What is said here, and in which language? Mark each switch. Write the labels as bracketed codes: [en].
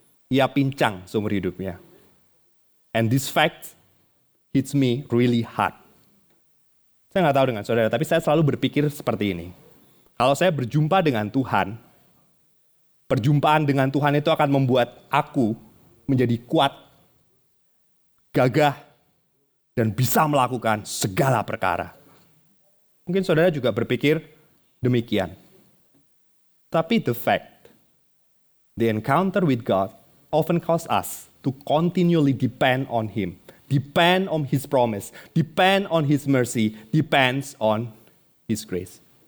[id] Ia pincang seumur hidupnya. [en] And this fact hits me really hard. [id] Saya nggak tahu dengan saudara, tapi saya selalu berpikir seperti ini. Kalau saya berjumpa dengan Tuhan, perjumpaan dengan Tuhan itu akan membuat aku menjadi kuat, gagah, dan bisa melakukan segala perkara. Mungkin saudara juga berpikir demikian. Tapi [en] the fact, the encounter with God often causes us to continually depend on him, depend on his promise, depend on his mercy, depends on his grace.